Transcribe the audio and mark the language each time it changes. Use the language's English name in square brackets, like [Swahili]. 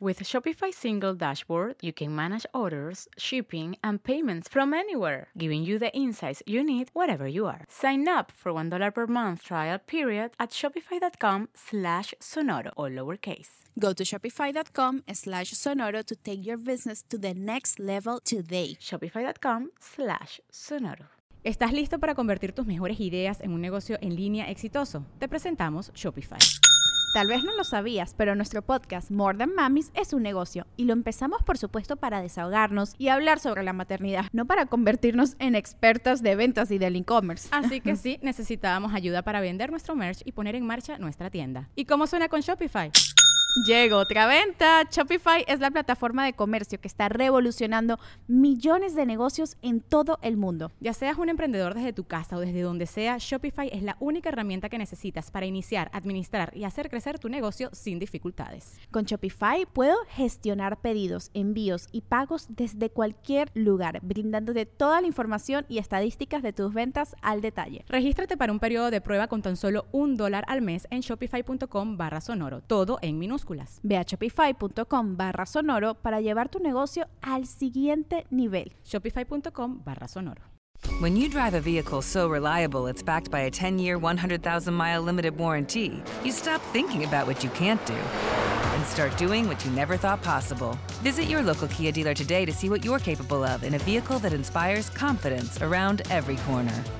[English] With a Shopify single dashboard, you can manage orders, shipping, and payments from anywhere, giving you the insights you need wherever you are. Sign up for $1 per month trial period at shopify.com/sonoro, all lowercase. Go to Shopify.com/Sonoro to take your business to the next level today. Shopify.com/Sonoro. [Spanish] ¿Estás listo para convertir tus mejores ideas en un negocio en línea exitoso? Te presentamos Shopify. Tal vez no lo sabías, pero nuestro podcast More Than Mummies es un negocio y lo empezamos, por supuesto, para desahogarnos y hablar sobre la maternidad, no para convertirnos en expertas de ventas y del e-commerce. Así que sí, necesitábamos ayuda para vender nuestro merch y poner en marcha nuestra tienda. ¿Y cómo suena con Shopify? ¡Llegó otra venta! Shopify es la plataforma de comercio que está revolucionando millones de negocios en todo el mundo. Ya seas un emprendedor desde tu casa o desde donde sea, Shopify es la única herramienta que necesitas para iniciar, administrar y hacer crecer tu negocio sin dificultades. Con Shopify puedo gestionar pedidos, envíos y pagos desde cualquier lugar, brindándote toda la información y estadísticas de tus ventas al detalle. Regístrate para un periodo de prueba con tan solo $1 al mes en shopify.com/sonoro, todo en minutos. Ve a shopify.com/sonoro para llevar tu negocio al siguiente nivel. shopify.com/sonoro. [English] When you drive a vehicle so reliable it's backed by a 10-year, 100,000-mile limited warranty, you stop thinking about what you can't do and start doing what you never thought possible. Visit your local Kia dealer today to see what you're capable of in a vehicle that inspires confidence around every corner.